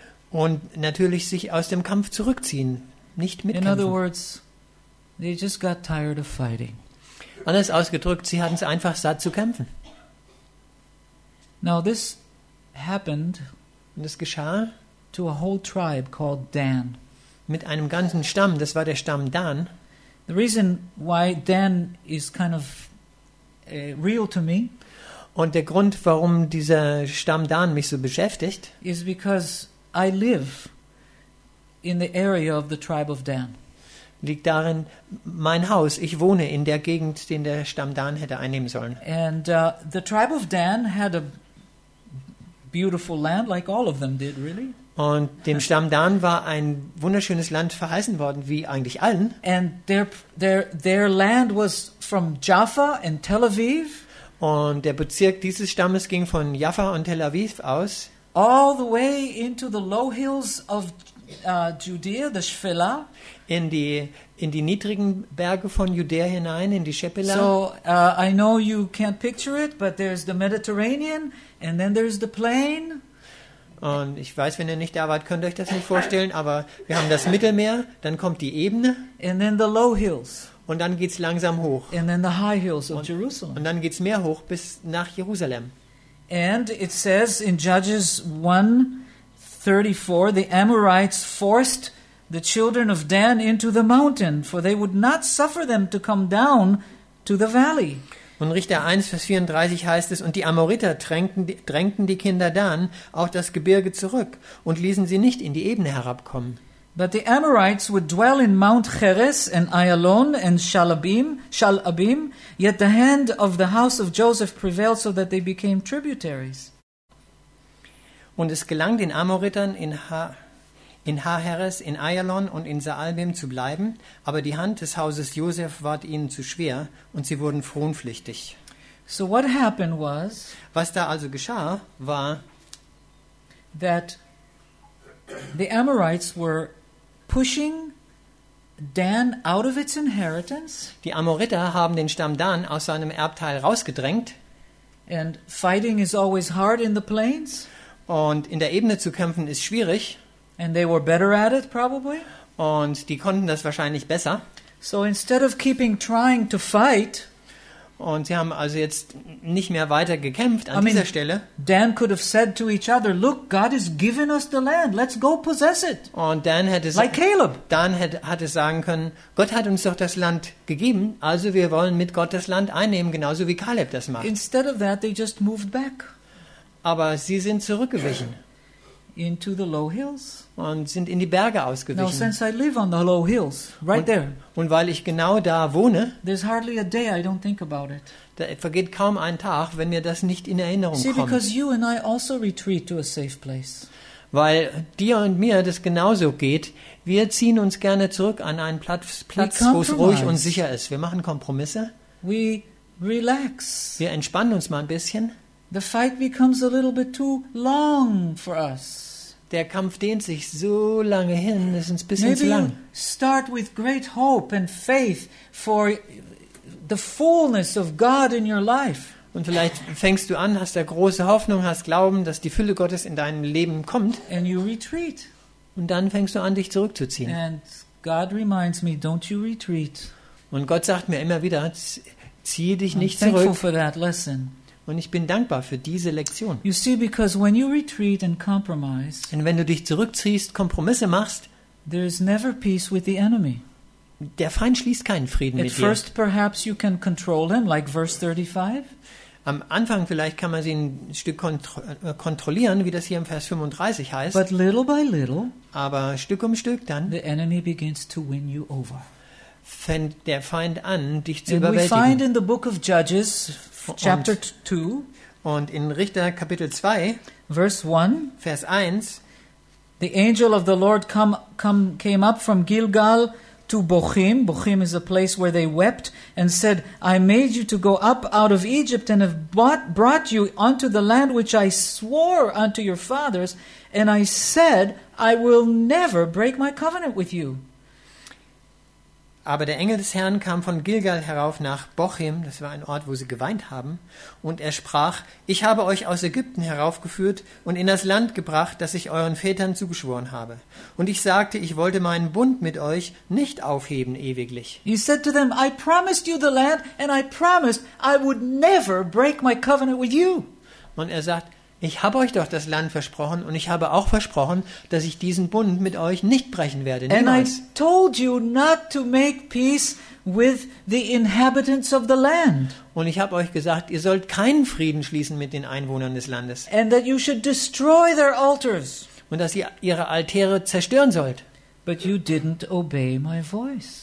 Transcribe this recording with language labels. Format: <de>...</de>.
<de>Und natürlich sich aus dem Kampf zurückziehen, nicht mitkämpfen.</de> <en>In other words, they just got tired of fighting.</en> <de>Anders ausgedrückt, sie hatten es einfach satt zu kämpfen.</de> <en>Now this happened.</en> <de>Und es geschah</de> <en>to a whole tribe called Dan.</en> <de>Mit einem ganzen Stamm. Das war der Stamm Dan.</de> <en>The reason why Dan is kind of real to me.</en> <de>Und der Grund, warum dieser Stamm Dan mich so beschäftigt,</de> <en>is because I live in the area of the tribe of Dan.</en> <de>Liegt darin mein Haus. Ich wohne in der Gegend, den der Stamm Dan hätte einnehmen sollen.</de> <en>And the tribe of Dan had a beautiful land, like all of them did, really.</en> <de>Und dem Stamm Dan war ein wunderschönes Land verheißen worden, wie eigentlich allen.</de> <en>And their land was from Jaffa and Tel Aviv.</en> <de>Und der Bezirk dieses Stammes ging von Jaffa und Tel Aviv aus.</de> <en>all the way into the low hills of Judea, the Shephelah.</en> <de>In die niedrigen Berge von Judäa hinein, in die Shephelah.</de> <en>So, I know you can't picture it, but there's the Mediterranean, and then there's the plain.</en> <de>Und ich weiß, wenn ihr nicht da wart, könnt ihr euch das nicht vorstellen, aber wir haben das Mittelmeer, dann kommt die Ebene.</de> <en>And then the low hills.</en> <de>Und dann geht's langsam hoch.</de> <en>And then the high hills of Jerusalem.</en> <de>Und dann geht's mehr hoch bis nach Jerusalem.</de> <en>And it says in Judges 1:34, the Amorites forced the children of Dan into the mountain, for they would not suffer them to come down to the valley.</en> <de>Und Richter 1, Vers 34 heißt es, und die Amoriter drängten die Kinder Dan auf das Gebirge zurück und ließen sie nicht in die Ebene herabkommen.</de> <en>But the Amorites would dwell in Mount Cheres and Ayalon and Shalabim, yet the hand of the house of Joseph prevailed so that they became tributaries.</en> <de>Und es gelang den Amoritern in Haheres, in Ayalon und in Saalbim zu bleiben, aber die Hand des Hauses Josef ward ihnen zu schwer und sie wurden fronpflichtig.</de> <en>So what happened was,</en> <de>was da also geschah, war,</de> <en>that the Amorites were pushing Dan out of its inheritance.</en> <de>Die Amoriter haben den Stamm Dan aus seinem Erbteil rausgedrängt.</de> <en>And fighting is always hard in the plains.</en> <de>Und in der Ebene zu kämpfen ist schwierig.</de> <en>And they were better at it, probably.</en> <de>Und die konnten das wahrscheinlich besser.</de> <en>So instead of keeping trying to fight,</en> <de>und sie haben also jetzt nicht mehr weiter gekämpft an dieser Stelle.</de> <en>Dan could have said to each other, "Look, God has given us the land. Let's go possess it."</en> <de>Und Dan hätte</de> <en>like Caleb.</en> <de>Dan hätte sagen können, Gott hat uns doch das Land gegeben, also wir wollen mit Gott das Land einnehmen, genauso wie Caleb das macht.</de> <en>Instead of that, they just moved back.</en> <de>Aber sie sind zurückgewichen.</de> <en>Into the low hills.</en> <de>Und sind in die Berge ausgewichen.</de> <en>Now, since I live on the low hills, right</en> <de>und,</de> <en>there.</en> <de>Und weil ich genau da wohne,</de> <en>there's hardly a day I don't think about it.</en> <de>Da vergeht kaum ein Tag, wenn mir das nicht in Erinnerung</de> <en>see,</en> <de>kommt.</de> <en>Because you and I also retreat to a safe place.</en> <de>Weil dir und mir das genauso geht. Wir ziehen uns gerne zurück an einen Platz, wo es ruhig und sicher ist. Wir machen Kompromisse.</de> <en>We relax.</en> <de>Wir entspannen uns mal ein bisschen.</de> <en>The fight becomes a little bit too long for us.</en> <de>Der Kampf dehnt sich so lange hin, es ist ein bisschen</de> <en>maybe</en> <de>zu lang.</de> <en>Start with great hope and faith for the fullness of God in your life.</en> <de>Und vielleicht fängst du an, hast da große Hoffnung, hast Glauben, dass die Fülle Gottes in deinem Leben kommt.</de> <en>And you retreat.</en> <de>Und dann fängst du an, dich zurückzuziehen.</de> <en>And God reminds me, don't you retreat.</en> <de>Und Gott sagt mir immer wieder, zieh dich</de> <en>I'm</en> <de>nicht zurück.</de> <en>For that lesson.</en> <de>Und ich bin dankbar für diese Lektion.</de> <en>You see, because when you retreat and compromise,</en> <de>und wenn du dich zurückziehst, Kompromisse machst,</de> <en>there is never peace with the enemy.</en> <de>Der Feind schließt keinen Frieden</de> <en>at</en> <de>mit dir.</de> <en>At first perhaps you can control him, like verse 35.</en> <de>Am Anfang vielleicht kann man sie ein Stück kontrollieren, wie das hier im Vers 35 heißt.</de> <en>But little by little,</en> <de>aber Stück um Stück dann,</de> <en>the enemy begins to win you over.</en> <de>Fängt der Feind an, dich zu</de> <en>and</en> <de>überwältigen.</de> <en>We find in the book of Judges, Chapter 2</en> <de>und in Richter Kapitel 2</de> <en>verse 1</en> <de>Vers 1</de> <en>the angel of the Lord came up from Gilgal to Bochim. Bochim is a place where they wept and said, I made you to go up out of Egypt and have brought you unto the land which I swore unto your fathers, and I said, I will never break my covenant with you.</en> <de>Aber der Engel des Herrn kam von Gilgal herauf nach Bochim, das war ein Ort, wo sie geweint haben, und er sprach, ich habe euch aus Ägypten heraufgeführt und in das Land gebracht, das ich euren Vätern zugeschworen habe. Und ich sagte, ich wollte meinen Bund mit euch nicht aufheben ewiglich.</de> <en>He said to them, I promised you the land and I promised I would never break my covenant with you.</en> <de>Und er sagt, ich habe euch doch das Land versprochen und ich habe auch versprochen, dass ich diesen Bund mit euch nicht brechen werde. Niemals.</de> <en>And I told you not to make peace with the inhabitants of the land.</en> <de>Und ich habe euch gesagt, ihr sollt keinen Frieden schließen mit den Einwohnern des Landes.</de> <en>And that you should destroy their altars.</en> <de>Und dass ihr ihre Altäre zerstören sollt.</de> <en>But you didn't obey my voice.</en>